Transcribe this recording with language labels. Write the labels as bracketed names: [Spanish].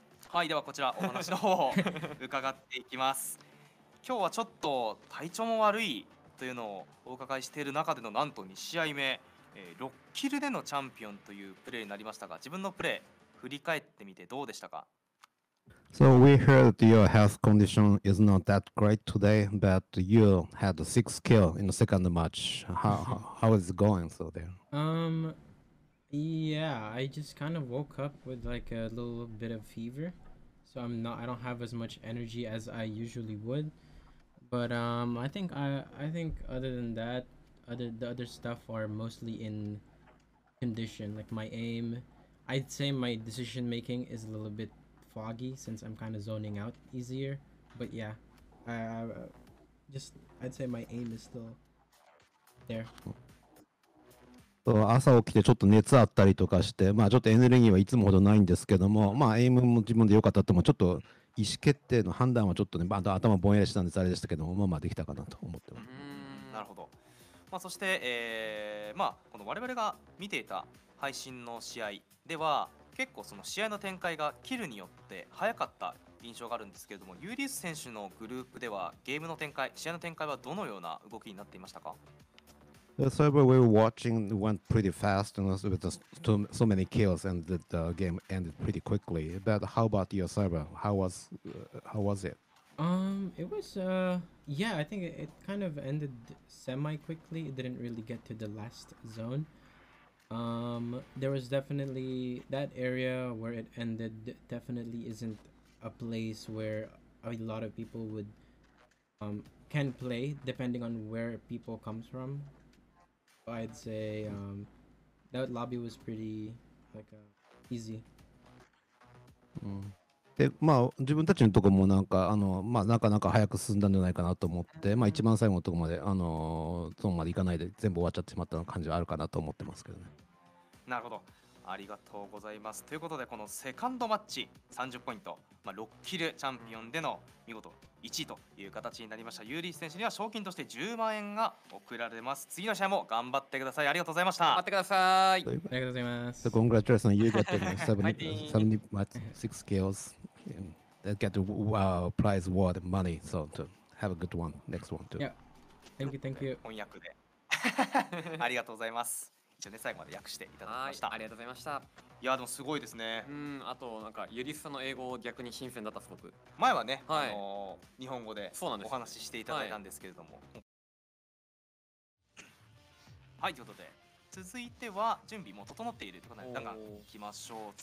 [Japanese] はい、ではこちらお話の方を伺っていきます。今日はちょっと体調も悪いというのをお伺いしている中での、なんと2試合目、6キルでのチャンピオンというプレーになりましたが、自分のプレー振り返ってみてどうでしたか？ [English] So we heard your health condition is not that great today, but you had a 6 kill in the second match. How is it going so there? Yeah, I just kind of woke up with like a little bit of fever. So I don't have as much energy as I usually would. But I think other than that, the other stuff are mostly in condition. Like my aim, I'd say my decision making is a little bit foggy since I'm kind of zoning out easier. But yeah, I'd say my aim is still there. [Japanese] So, 朝起きてちょっと熱あったりとかして、まあちょっとエネルギーはいつもほどないんですけども、まあエイムも自分で良かったと思う。ちょっと意思決定の判断はちょっとね、まあ、頭ぼんやりしたんですあれでしたけども、まあまあできたかなと思ってます。なるほど。まあそして、まあこの我々が見ていた配信の試合では結構その試合の展開がキルによって早かった印象があるんですけれども、ユーリース選手のグループではゲームの展開、試合の展開はどのような動きになっていましたか？ [English] The server we were watching went pretty fast and with so many kills, and the game ended pretty quickly. But how about your server? How was it? It was, I think it kind of ended semi-quickly. It didn't really get to the last zone. There was definitely that area where it ended definitely isn't a place where a lot of people would can play, depending on where people come from. I'd say that lobby was pretty like easy. [Japanese] で、まあ自分たちのとこもなんかまあなかなか早く進んだんじゃないかなと思って、まあ一番最後のとこまでゾーンまで行かないで全部終わっちゃってしまった感じはあるかなと思ってますけどね。なるほど、ありがとうございます。ということでこのセカンドマッチ30ポイント、まあ、6キルチャンピオンでの見事1位という形になりました。ユーリース選手には賞金として10万円が贈られます。次の試合も頑張ってください。ありがとうございました。頑張ってください。ありがとうございます。 [English] コングラチュレーション。 You got 76 kills that get the prize award money, so to have a good one next one too. Yeah, thank you, thank you. [Japanese] 翻訳でありがとうございます。一応ね、最後まで訳していただきました。ありがとうございました。いやでもすごいですね。うん、あとなんかユリスさんの英語逆に新鮮だった。すごく前はね、はい、日本語でそうなんです、お話ししていただいたんですけれども、はい、はい、ということで続いては準備も整っているということで、なんか行きましょう。